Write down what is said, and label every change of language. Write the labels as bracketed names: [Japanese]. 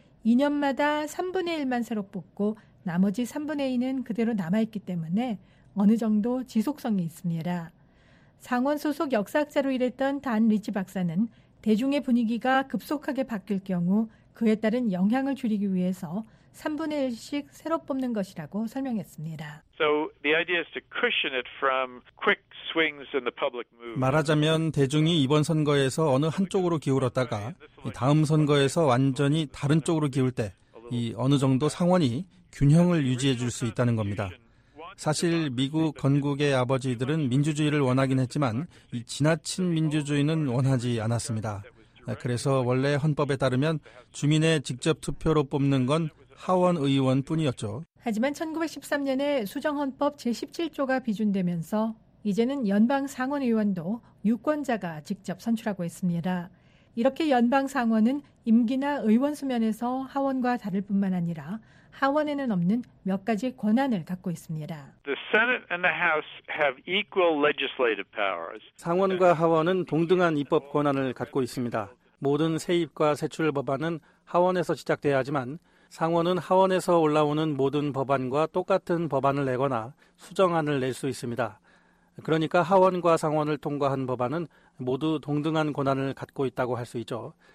[Korean] 2년마다 3분의 1만 새로 뽑고 나머지 3분의 2는 그대로 남아있기 때문에 어느 정도 지속성이 있습니다. 상원 소속 역사학자로 일했던 단 리치 박사는 대중의 분위기가 급속하게 바뀔 경우 그에 따른 영향을 줄이기 위해서 3분의 1씩 새로 뽑는 것이라고 설명했습니다. [English] So the idea is to cushion it from quick swings in the public mood. [Korean] 말하자면 대중이 이번 선거에서 어느 한쪽으로 기울었다가 다음 선거에서 완전히 다른 쪽으로 기울 때 이 어느 정도 상원이 균형을 유지해 줄 수 있다는 겁니다. 사실 미국 건국의 아버지들은 민주주의를 원하긴 했지만 이 지나친 민주주의는 원하지 않았습니다. 그래서 원래 헌법에 따르면 주민의 직접 투표로 뽑는 건 하원 의원뿐이었죠. 하지만 1913년에 수정헌법 제17조가 비준되면서 이제는 연방 상원 의원도 유권자가 직접 선출하고 있습니다. 이렇게 연방 상원은 임기나 의원 수면에서 하원과 다를 뿐만 아니라 하원에는 없는 몇 가지 권한을 갖고 있습니다. [English] The Senate and the House have equal legislative powers. [Korean] 상원과 하원은 동등한 입법 권한을 갖고 있습니다. 모든 세입과 세출 법안은 하원에서 시작돼야 하지만 상원은 하원에서 올라오는 모든 법안과 똑같은 법안을 내거나 수정안을 낼 수 있습니다. 그러니까 하원과 상원을 통과한 법안은 모두 동등한 권한을 갖고 있다고 할 수 있죠.